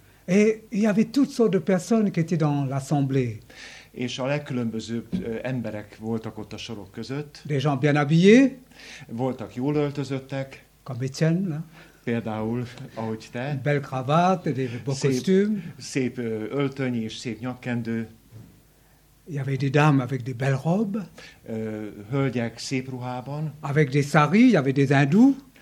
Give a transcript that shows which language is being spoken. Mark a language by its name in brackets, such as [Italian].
[French] Et il y avait toutes sortes de personnes qui étaient dans l'assemblée. [Hungarian] És a legkülönbözőbb emberek voltak ott a sorok között. [French] Des gens bien habillés. [Hungarian] Voltak jól öltözöttek. [French] Comme Etienne. [Hungarian] Például, ahogy te. [French] Belle cravate, des beaux costumes. [Hungarian] Szép öltöny és szép nyakkendő. [French] Il y avait des dames avec des belles robes. [Hungarian] Hölgyek szép ruhában. [French] Avec des saris, il y avait des hindous.